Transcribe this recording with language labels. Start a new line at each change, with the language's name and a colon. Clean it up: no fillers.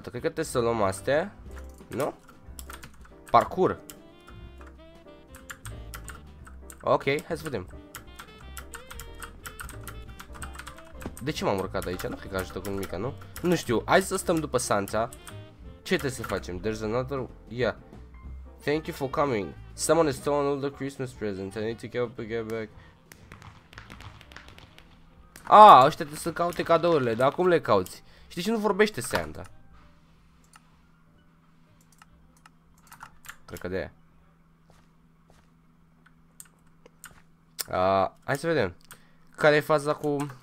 Romanian: Cred că trebuie să luăm astea, nu? Parcur. Ok, hai să vedem. De ce m-am urcat aici? Nu cred că ajută cu nimica, nu? Nu știu, hai să stăm după Santa. Ce trebuie să facem?
English: There's another... Yeah. Thank you for coming. Someone has stolen all the Christmas presents. I need to get up and get back.
Romanian: Ah, ăștia trebuie să caute cadourile, dar cum le cauți? Și de ce nu vorbește Santa? Cred că de aia. Hai să vedem. Care e faza cu...